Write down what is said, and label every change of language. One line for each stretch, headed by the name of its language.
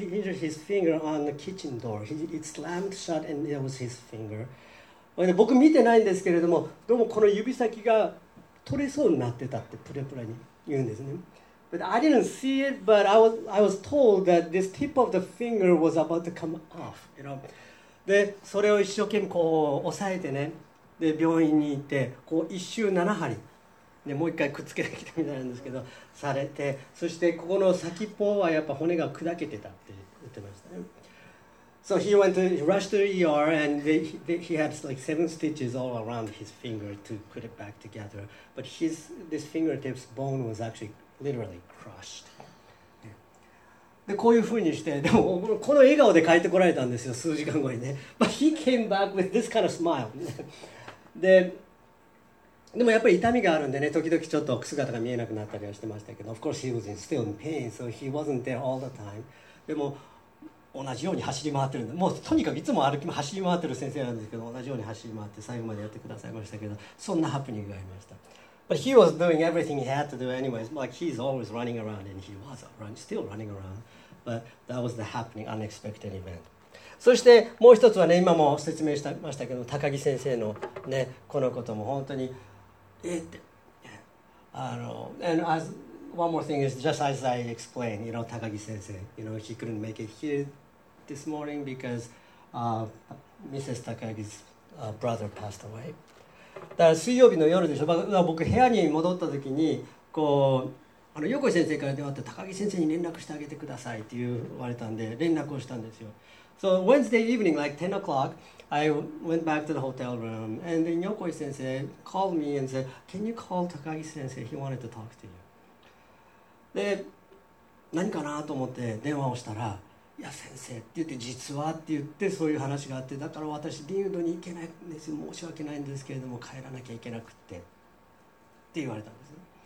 English: He injured his finger on the kitchen door. It slammed shut and it was his finger.
Japanese: 僕見てないんですけれども、どうもこの指先が取れそうになってたってプレプラに言うんですね。
English: But I didn't see it, but I was told that this tip of the finger was about to come off, you know.
Japanese: で、それを一生懸命こう抑えてね、で、病院に行って、こう一周7針。でもう一回くっつけてきたみたいなんですけど、されて、そしてここの先っぽはやっぱ骨が砕けてたって言ってましたね。
English: So he went to, he rushed to the ER and he had like 7 stitches all around his finger to put it back together. But this fingertips bone was actually literally crushed.
Japanese: でこういうふうにして、でもこの笑顔で帰ってこられたんですよ、数時間後にね。
English: But he came back with this kind of smile.
Japanese: でもやっぱり痛みがあるんでね、時々ちょっと姿が見えなくなったりはしてましたけど、
English: Of course he was still in pain, so he wasn't there all the time.
Japanese: でも同じように走り回ってるんで、もうとにかくいつも歩き走り回ってる先生なんですけど、同じように走り回って最後までやってくださいましたけど、そんなハプニングがありました。
English: But he was doing everything he had to do anyways, like he's always running around and he was still running around, but that was the happening unexpected event.
Japanese: そしてもう一つはね、今も説明しましたけど、高木先生のね、このことも本当にって、
English: And as one more thing is just as I explained, you know, 高木先生、you know, he couldn't make it here this morning because Mrs. Takagi's brother passed away.
Japanese: だから水曜日の夜でしょ、僕部屋に戻った時にこう、横井先生から電話って、高木先生に連絡してあげてくださいって言われたんで連絡をしたんですよ。
English: So Wednesday evening, like 10 o'clock, I went back to the hotel room, and then Yokoi-sensei called me and said, can you call Takagi-sensei? He wanted to talk to you.
Japanese: で、何かなと思って電話をしたら、いや先生って言って、実はって言ってそういう話があって、だから私リウドに行けないんですよ、申し訳ないんですけれども帰らなきゃいけなくってって言われたんですね。